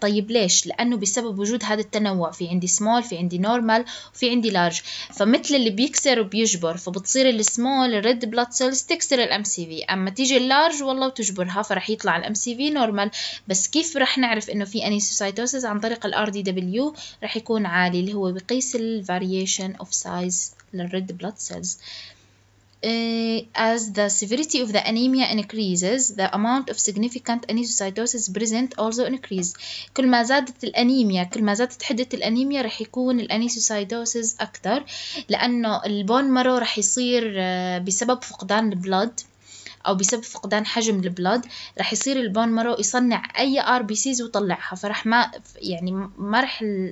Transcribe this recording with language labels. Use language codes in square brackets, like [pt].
[ar] طيب ليش؟ لانه بسبب وجود هذا التنوع، في عندي سمول، في عندي نورمال، وفي عندي لارج، فمثل اللي بيكسر وبيجبر، فبتصير السمول الريد بلد سيلز تكسر الام سي في، اما تيجي اللارج والله وتجبرها فرح يطلع الام سي في نورمال. بس كيف رح نعرف انه في انيسوسايتوسيس؟ عن طريق الار دي دبليو رح يكون عالي، اللي هو بيقيس الفاريشن اوف سايز للريد بلد سيلز. [en] As the severity of the anemia increases, the amount of significant anisocytosis present also increases. [ar] كل ما زادت الأنيميا، كل ما زادت حدة الأنيميا، رح يكون الأنيسوسايتوسيس أكثر، لأنه البون مارو رح يصير بسبب فقدان البلد أو بسبب فقدان حجم البلد، رح يصير البون مارو يصنع أي آر بي سيز وطلعها، فرح ما يعني ما رح